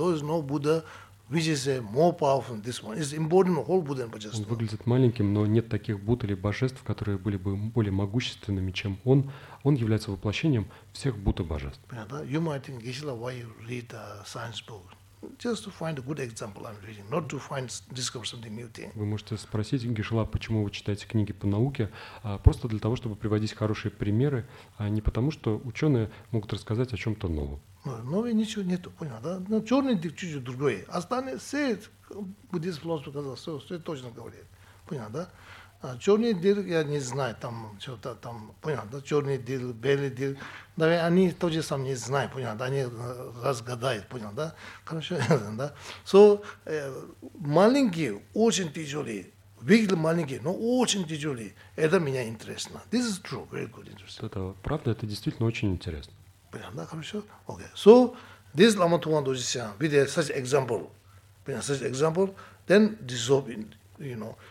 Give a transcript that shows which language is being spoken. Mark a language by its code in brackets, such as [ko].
[en] There's no Buddha, which is a more powerful than this one. It's important whole Buddha and [ru] божество. Он выглядит маленьким, но нет таких Будд или божеств, которые были бы более могущественными, чем он. Он является воплощением всех Будд и божеств. [en] You might think, Geshe-la, why you read a science book? Just to find a good example I'm reading, not to find discover something new thing. [ru] Вы можете спросить Гишела, почему вы читаете книги по науке, просто для того, чтобы приводить хорошие примеры, а не потому, что ученые могут рассказать о чем-то новом. Нового ничего нету, понял, да? Но черный дыр чуть-чуть другой. Останется, буддист философ сказал, все точно говорит, понял, да? А черный дыр я не знаю, там что-то там, понял, да? Черный дыр, белый дыр. Да, они тоже сам не знают, понял, да, они разгадают, понял, да? Хорошо, да? [en] So, [ru] маленькие, очень тяжелые, выглядят маленькие, но очень тяжелые. Это меня интересно. [en] This is true, very good, interesting. [ru] Это правда, это действительно очень интересно. Понял, да, хорошо? [en] Okay. So, this Lama Tuan Dojie Sian, with such example, [ru] понял, [en] such example, then dissolve, in, you know.